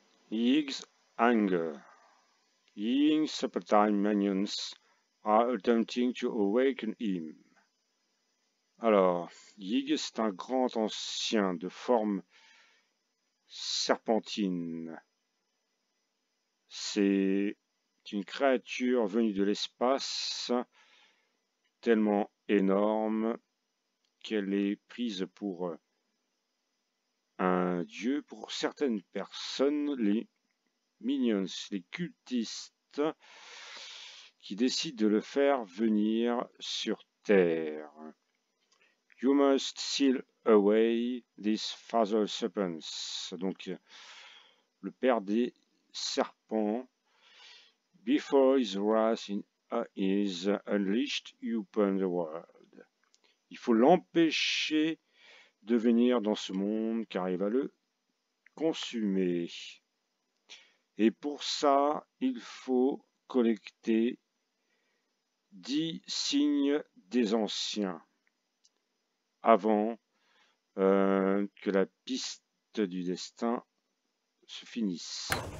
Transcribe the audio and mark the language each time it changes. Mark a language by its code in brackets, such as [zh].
[en] Yig's anger. Yig's suppertime minions are attempting to awaken him. [fr] Alors, Yig, c'est un grand ancien de forme serpentine. C'est une créature venue de l'espace, tellement énorme qu'elle est prise pour un dieu. Pour certaines personnes, les minions, les cultistes, qui décident de le faire venir sur Terre. [en] You must seal away this father serpents. [fr] Donc, le père des serpents. [en] Before his wrath is unleashed upon the world. [fr] Il faut l'empêcher de venir dans ce monde car il va le consumer. Et pour ça, il faut collecter 10 signes des anciens avant que la piste du destin se finisse.